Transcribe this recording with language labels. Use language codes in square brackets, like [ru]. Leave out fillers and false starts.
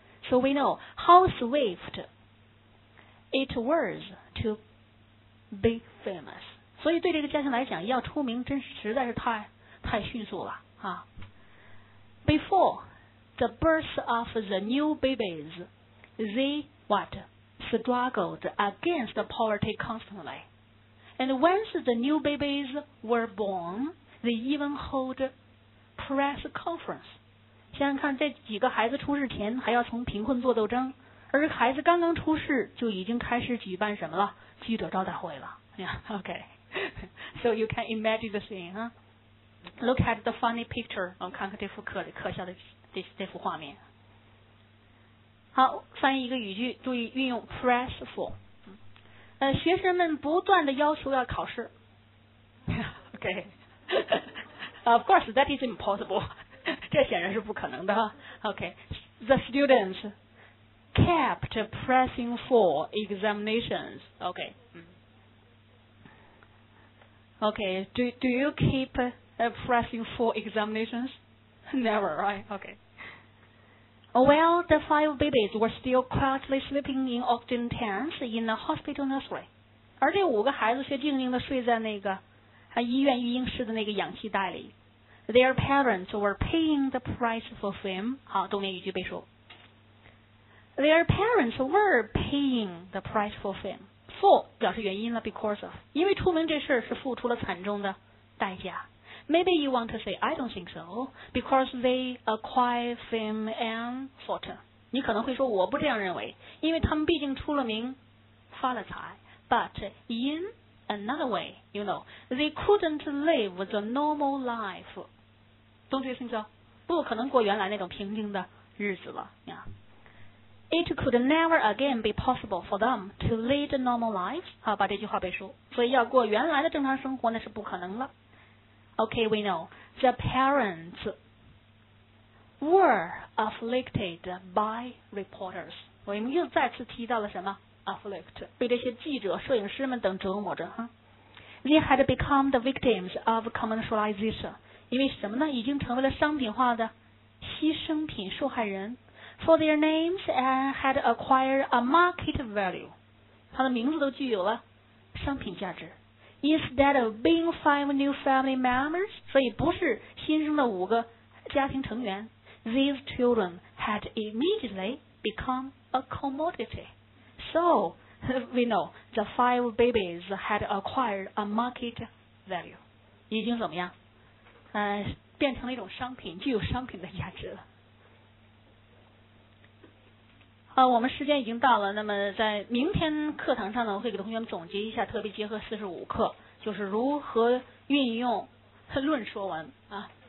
[en] So we know how swift it was to be famous. [zh] 所以对这个家庭来讲，要出名真实在是太迅速了啊。 [en] Before. The birth of the new babies, they struggled against the poverty constantly. And once the new babies were born, they even hold press conference. [zh] 想想看，这几个孩子出世前还要从贫困做斗争，而孩子刚刚出世就已经开始举办什么了？记者招待会了。 [en] Yeah, okay. So you can imagine the scene, huh? Look at the funny picture. [zh] 我们看看这幅可笑的。这幅画面，好，翻译一个语句，注意运用 press for。学生们不断的要求要考试。 [en] OK， of course that is impossible， [zh] 这显然是不可能的。 [en] OK， the students kept pressing for examinations。 OK， OK， do you keep pressing for examinations？ Never， right？ OK。 While the five babies were still quietly sleeping in oxygen tents in the hospital nursery. [zh] 而这五个孩子却静静地睡在那个医院育婴室的那个氧气袋里。 [en] Their parents were paying the price for fame. [zh] 好，动念语句背熟。 [en] Their parents were paying the price for fame. [zh] For 表示原因了 ,because of. 因为出名这事是付出了惨重的代价。 [en] Maybe you want to say, I don't think so, because they acquire fame and fortune. [zh] 你可能会说我不这样认为，因为他们毕竟出了名，发了财。 [en] But in another way, you know, they couldn't live the normal life. Don't you think so? [zh] 不可能过原来那种平静的日子了。 [en] Yeah. It could never again be possible for them to lead a normal life. [zh] 好，把这句话背熟。所以要过原来的正常生活，那是不可能了。 [en] Okay, we know the parents were afflicted by reporters. [zh] 我们又再次提到了什么 afflict 被这些记者、摄影师们等折磨着、huh? [en] They had become the victims of commercialization. [zh] 因为什么呢？已经成为了商品化的牺牲品受害人。 [en] For their names had acquired a market value. [zh] 他的名字都具有了商品价值。 [en] Instead of being five new family members, [zh] 所以不是新生的五个家庭成员 [en] these children had immediately become a commodity. So, we know, the five babies had acquired a market value. [zh] 已经怎么样？变成了一种商品，具有商品的价值了。我们时间已经到了，那么在明天课堂上呢，我会给同学们总结一下特别结合45课，就是如何运用论说文啊。